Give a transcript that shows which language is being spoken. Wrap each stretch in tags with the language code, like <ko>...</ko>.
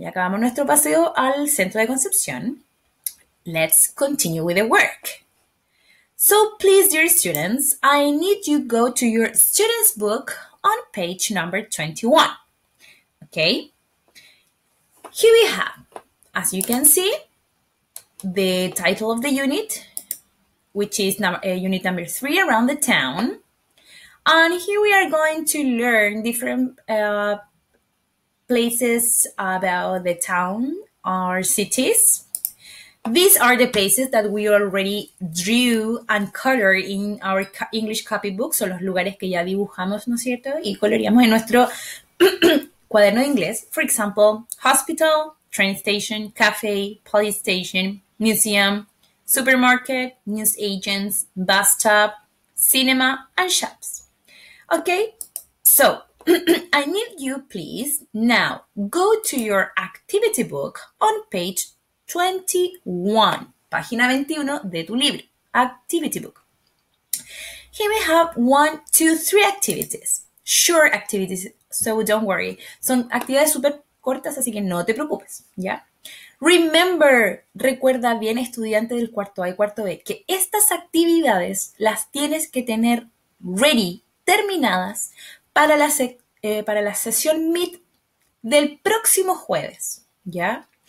<es>Ya acabamos nuestro paseo al centro de Concepción.</es> <en>Let's continue with the work. So please, dear students, I need you go to your student's book on page number 21. Okay? Here we have, as you can see, the title of the unit, which is unit number 3, around the town. And here we are going to learn different places about the town or cities. These are the places that we already drew and colored in our English copybook.</en> <es>Son los lugares que ya dibujamos, ¿no es cierto? Y coloreamos en nuestro cuaderno de inglés.</es> <en>For example, hospital, train station, cafe, police station, museum, supermarket, news agents, bus stop, cinema, and shops. Okay, so I need you, please, now go to your activity book on page 21,</en> <es>página 21 de tu libro,</es> <en>activity book. Here we have 1, 2, 3 activities, short activities, so don't worry.</en> <es>Son actividades súper cortas, así que no te preocupes, ¿ya? Remember, recuerda bien, estudiante del cuarto A y cuarto B, que estas actividades las tienes que tener ready, terminadas, para la sesión Meet del próximo jueves, ¿ya?</es>